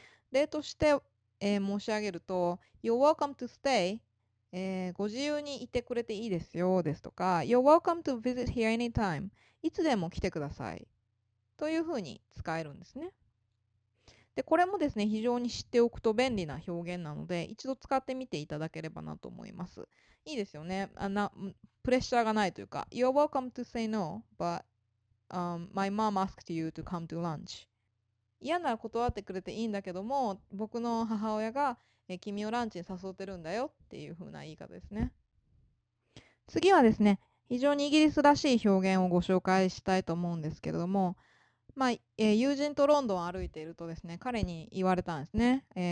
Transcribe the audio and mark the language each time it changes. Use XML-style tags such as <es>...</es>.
<ja>例として、申し上げると、</ja> <en>You're welcome to stay、</en> <ja>ご自由にいてくれていいですよですとか、</ja> <en>You're welcome to visit here anytime、</en> <ja>いつでも来てくださいというふうに使えるんですね。でこれもですね、非常に知っておくと便利な表現なので、一度使ってみていただければなと思います。いいですよね。プレッシャーがないというか、</ja> <en>You're welcome to say no, but、my mom asked you to come to lunch.</en> <ja>嫌なら断ってくれていいんだけども、僕の母親が君をランチに誘ってるんだよっていう風な言い方ですね。次はですね、非常にイギリスらしい表現をご紹介したいと思うんですけれども、まあ友人とロンドンを歩いているとですね、彼に言われたんですね。</ja>